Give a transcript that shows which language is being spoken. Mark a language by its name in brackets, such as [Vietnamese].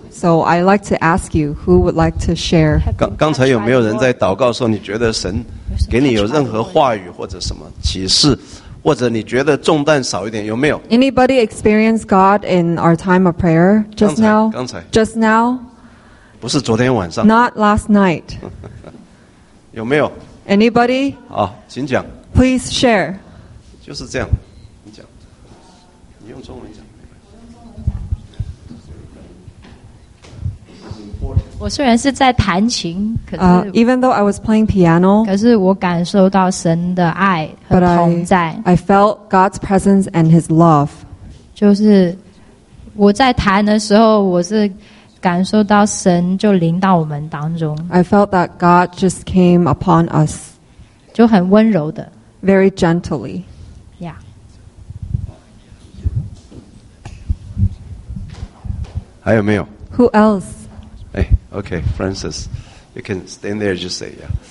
[English] So I'd like to ask you, who would like to share? [Chinese] 刚才有没有人在祷告的时候你觉得神给你有任何话语或者什么启示，或者你觉得重担少一点，有没有？ [English] Anybody experience God in our time of prayer just now? [Chinese] 刚才 [English] Just now? [Chinese] 不是昨天晚上。 [English] Not last night. [Chinese] 有没有？ [English] Anybody? [Chinese] 好，请讲。 [English] Please share. [Chinese] 就是这样，你讲，你用中文讲。我虽然是在弹琴，可是 [English] even though I was playing piano， [Chinese] 可是我感受到神的爱和同在。 [English] I felt God's presence and His love。 [Chinese] 就是我在弹的时候，我是感受到神就临到我们当中。 [English] I felt that God just came upon us。 [Chinese] 就很温柔的。 [English] Very gently。 Yeah。 [Chinese] 还有没有 [English] ？Who else？ Hey, okay, Francis, you can stand there, just say, yeah.